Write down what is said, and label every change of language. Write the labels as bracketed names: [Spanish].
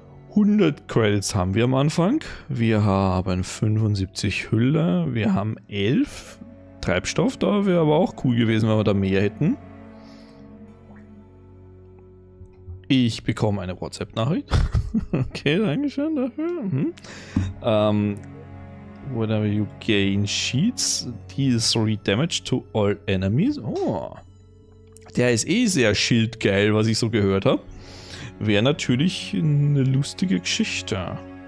[German] 100 Credits haben wir am Anfang. Wir haben 75 Hülle. Wir haben 11 Treibstoff. Da wäre aber auch cool gewesen, wenn wir da mehr hätten. Ich bekomme eine WhatsApp-Nachricht. Okay, danke schön dafür. [English] Whatever you gain sheets, deals 3 damage to all enemies. [German] Oh, der ist eh sehr schildgeil, was ich so gehört habe. Wäre natürlich eine lustige Geschichte.